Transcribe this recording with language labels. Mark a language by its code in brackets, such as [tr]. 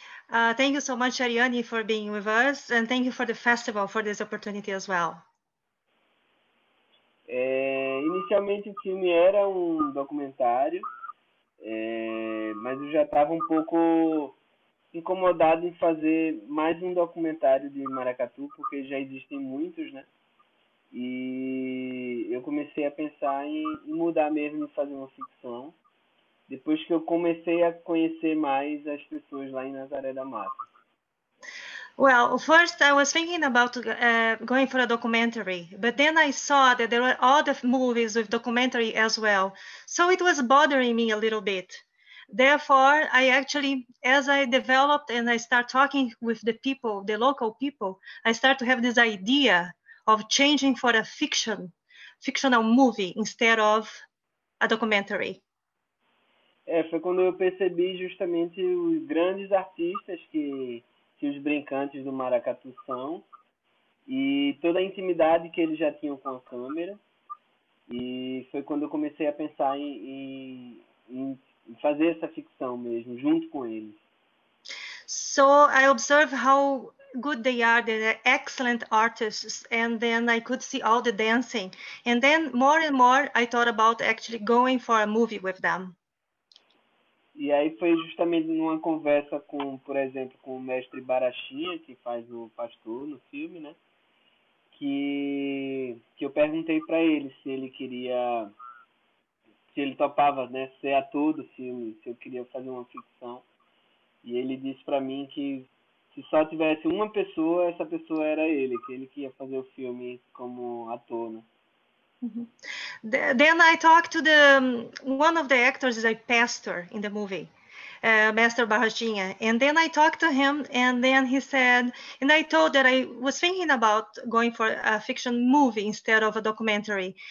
[en] Thank you so much, Ariane, for being with us. And thank you for the festival for this opportunity as well. [pt] Inicialmente o filme era um documentário, mas eu já estava um pouco incomodado em fazer mais um documentário de Maracatu, porque já existem muitos, né? E eu comecei a pensar em mudar mesmo, em fazer uma ficção, depois que eu comecei a conhecer mais as pessoas lá em Nazaré da Mata. [en] Well, first I was thinking about going for a documentary, but then I saw that there were other movies with documentary as well. So it was bothering me a little bit. Therefore, I actually, as I developed and I start talking with the people, the local people, I start to have this idea of changing for a fictional movie instead of a documentary. [pt] Foi quando eu percebi justamente os grandes artistas que os brincantes do Maracatu são e toda a intimidade que eles já tinham com a câmera. E foi quando eu comecei a pensar em fazer essa ficção mesmo, junto com eles. [en] So I observed how good they are, they're excellent artists, and then I could see all the dancing. And then, more and more, I thought about actually going for a movie with them. [pt] E aí foi justamente numa conversa com, por exemplo, com o mestre Barachinha, que faz o pastor no filme, né? Que eu perguntei para ele se ele queria, se ele topava, né, ser ator do filme, se eu queria fazer uma ficção. E ele disse para mim que se só tivesse uma pessoa, essa pessoa era ele, que ele que ia fazer o filme como ator, né? [en] Then I talked to one of the actors is a pastor in the movie, Master Barrachinha. And then I talked to him, and then he said, and I told that I was thinking about going for a fiction movie instead of a documentary.